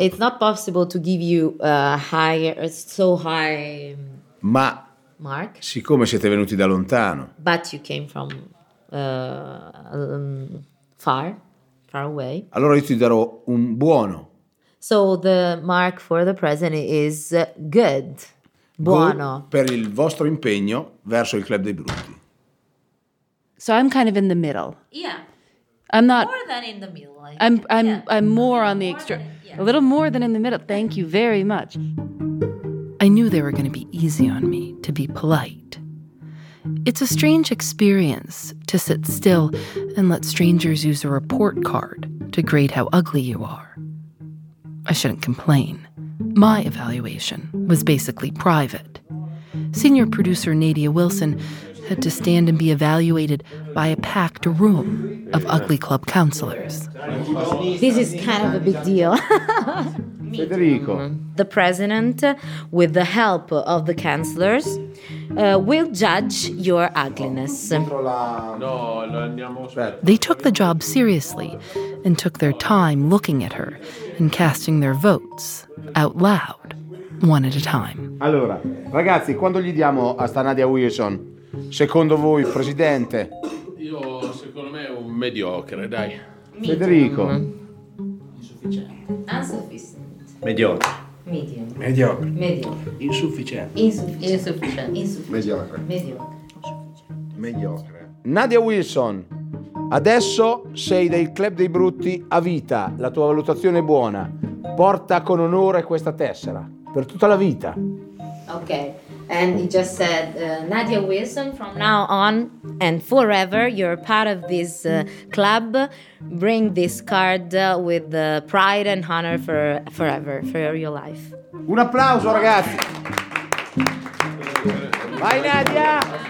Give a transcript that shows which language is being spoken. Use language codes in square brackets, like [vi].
[en] It's not possible to give you a higher, so high [it] Ma [en] mark. [it] Siccome siete venuti da lontano. [en] But you came from far, far away. [it] Allora io ti darò un buono. [en] So the mark for the present is good. [it] Buono. Per il vostro impegno verso il Club dei Brutti. [en] So I'm kind of in the middle. Yeah. I'm not more than in the middle. I'm more on the extra. A little more than in the middle. Thank you very much. I knew they were going to be easy on me to be polite. It's a strange experience to sit still and let strangers use a report card to grade how ugly you are. I shouldn't complain. My evaluation was basically private. Senior producer Nadia Wilson had to stand and be evaluated by a packed room of ugly club counselors. This is kind of a big deal. Federico. The president, with the help of the counselors, will judge your ugliness. They took the job seriously and took their time looking at her and casting their votes out loud, one at a time. [it] Allora, ragazzi, quando gli diamo a Stanadia Wilson, secondo voi, presidente? Io, secondo me, è un mediocre, dai. Federico. Insufficiente. Insufficiente. Mediocre. [en] Medium. [it] Mediocre. [en] Medium. [it] Insufficiente. Insufficiente. Mediocre. Mediocre. Mediocre. Nadia Wilson, adesso sei del Club dei Brutti a vita. La tua valutazione è buona. Porta con onore questa tessera per tutta la vita. [en] Ok. And he just said, Nadia Wilson, from now on and forever, you're part of this club. Bring this card with pride and honor for forever, for your life. [it] Un applauso, ragazzi! Vai, Nadia!